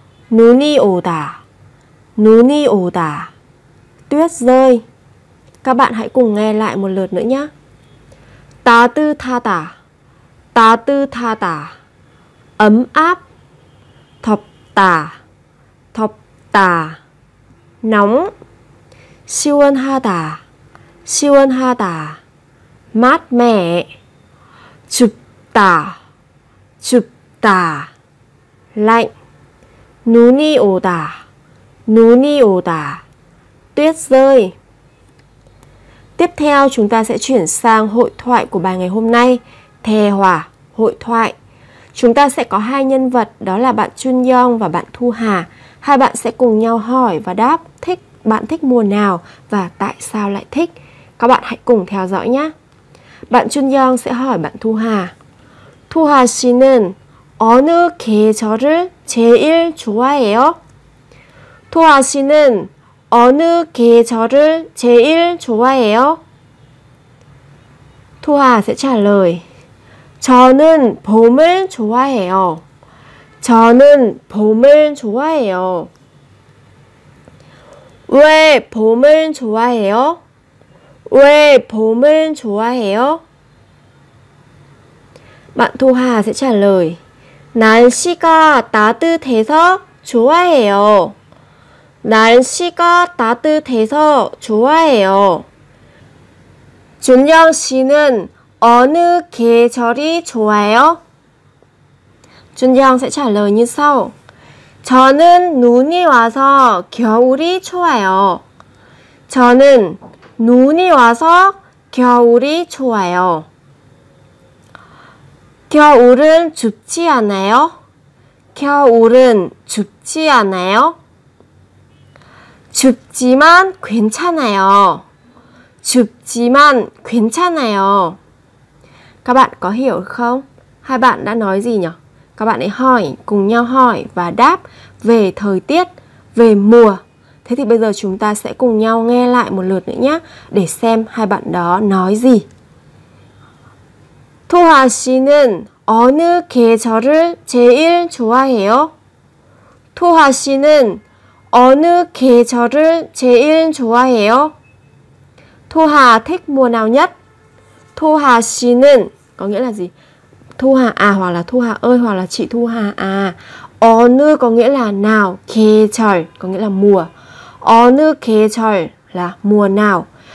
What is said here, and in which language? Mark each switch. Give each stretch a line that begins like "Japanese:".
Korean: 눈이 오다, 눈이 오다,
Vietnamese: tuyết rơi. Các bạn hãy cùng nghe lại một lượt nữa nhé.
Korean: 따뜻하다, 따뜻하다,
Vietnamese: ấm áp.
Korean: 덥다, 덥다,
Vietnamese: nóng.
Korean: 시원하다, 시원하다,
Vietnamese: mát mẻ.
Korean: 춥다, 춥다,
Vietnamese: lạnh.
Korean: 눈이 오다, 눈이 오다,
Vietnamese: tuyết rơi. Tiếp theo chúng ta sẽ chuyển sang hội thoại của bài ngày hôm nay. Thề hòa, hội thoại. Chúng ta sẽ có hai nhân vật, đó là bạn Chun Young và bạn Thu Hà. Hai bạn sẽ cùng nhau hỏi và đáp thích bạn thích mùa nào và tại sao lại thích. Các bạn hãy cùng theo dõi nhé. Bạn Chun Young sẽ hỏi bạn Thu Hà.
Korean: Thu Hà 씨는 어느 계절을 제일 좋아해요? Thu Hà 씨는 어느 계절을 제일 좋아해요?
Vietnamese: Thu Hà sẽ trả lời.
Korean: 저는 봄을 좋아해요. 저는 봄을 좋아해요. 왜 봄을 좋아해요? 왜 봄을 좋아해요?
Vietnamese: Bạn Thu Hà sẽ trả lời.
Korean: 날씨가 따뜻해서 좋아해요. 날씨가 따뜻해서 좋아해요. 준영 씨는 어느 계절이 좋아요?
Vietnamese: 준영 sẽ trả lời như sau.
Korean: 저는 눈이 와서 겨울이 좋아요. 저는 눈이 와서 겨울이 좋아요. 겨울은 춥지 않아요? 겨울은 춥지 않아요? 춥지만 괜찮아요. 춥지만 괜찮아요.
Vietnamese: Các bạn có hiểu không? Hai bạn đã nói gì nhỉ? Các bạn ấy hỏi, cùng nhau hỏi và đáp về thời tiết, về mùa. Thế thì bây giờ chúng ta sẽ cùng nhau nghe lại một lượt nữa nhé, để xem hai bạn đó nói gì.
Korean: Thu Hà 씨는 어느 계절을 제일 좋아해요? Thu Hà 씨는 어느 계절을 제일 좋아해요?
Vietnamese: Thu Hà thích mùa nào nhất? Thu Hà
Korean: 씨는
Vietnamese: có nghĩa là gì? Thu Hà à, hoặc là Thu Hà ơi, hoặc là chị Thu Hà à.
Korean: 어느
Vietnamese: có nghĩa là nào,
Korean: 계절
Vietnamese: có nghĩa là mùa.
Korean: 어느 계절
Vietnamese: là mùa nào.